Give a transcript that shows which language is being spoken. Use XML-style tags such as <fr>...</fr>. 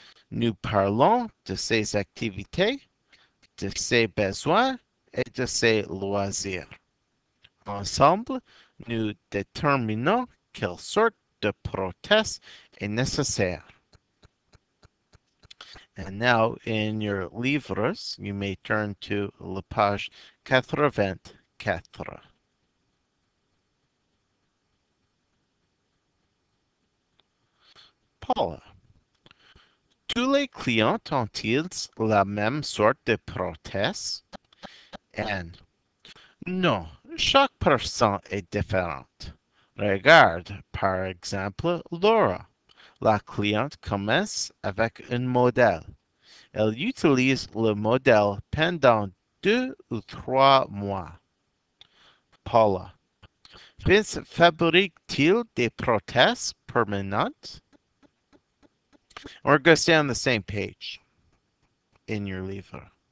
<fr>Nous parlons de ses activités, de ses besoins, et de ses loisirs. Ensemble, nous déterminons quelle sorte de prothèse est nécessaire.</fr> <en>And now, in your livres, you may turn to</en> <fr>la page 84. Paula, tous les clients ont-ils la même sorte de prothèse? Anne, non, chaque personne est différente. Regarde, par exemple, Laura. La cliente commence avec un modèle. Elle utilise le modèle pendant 2 ou 3 mois. Paula, Vince fabrique-t-il des prothèses permanentes?</fr> <en>We're going to stay on the same page in your livre.</en>